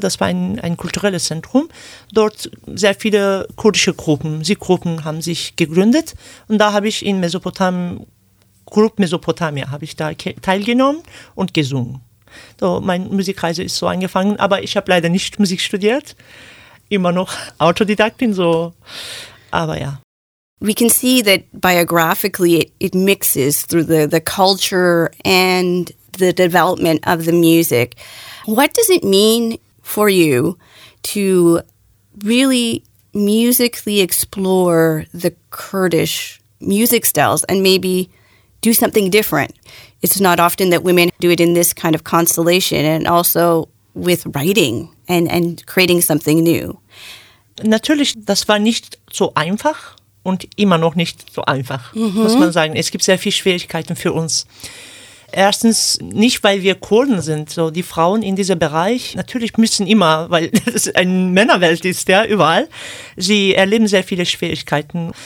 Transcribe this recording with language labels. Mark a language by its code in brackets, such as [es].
[de] Das war ein kulturelles Zentrum. Dort sehr viele kurdische Gruppen, Sikh-Gruppen haben sich gegründet. Und da habe ich in Mesopotamia habe ich da teilgenommen und gesungen. So, meine Musikreise ist so angefangen, aber ich habe leider nicht Musik studiert. Immer noch Autodidaktin, so. Aber ja. [en] We can see that biographically it mixes through the culture and the development of the music. What does it mean for you to really musically explore the Kurdish music styles and maybe do something different? It's not often that women do it in this kind of constellation and also with writing and creating something new. [de] Natürlich, das war nicht so einfach. Und immer noch nicht so einfach, muss man sagen. Es gibt sehr viele Schwierigkeiten für uns. Erstens, nicht weil wir Kurden sind, so die Frauen in diesem Bereich, natürlich müssen immer, weil es eine Männerwelt ist, ja, überall, sie erleben sehr viele Schwierigkeiten.